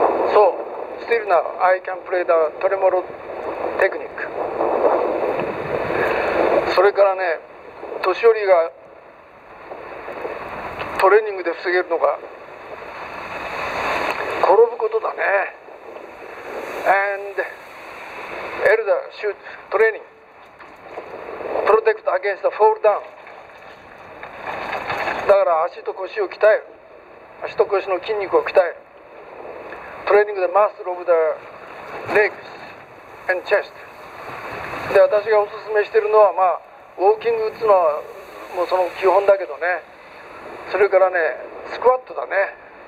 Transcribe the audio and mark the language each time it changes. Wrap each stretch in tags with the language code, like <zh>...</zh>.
<en>So, still now I can play the tremolo technique.</en> <ja>それからね、年寄りがトレーニングで防げるのが転ぶことだね。</ja> <en>And elder should training protect against the fall down。</en> <ja>だから足と腰を鍛える、足と腰の筋肉を鍛える、トレーニングで</ja> <en>マッスルオブザレッグスチェスト</en> <ja>で、私がおすすめしているのは、まあ、ウォーキング打つのはもうその基本だけどね、それからねスクワットだね。</ja>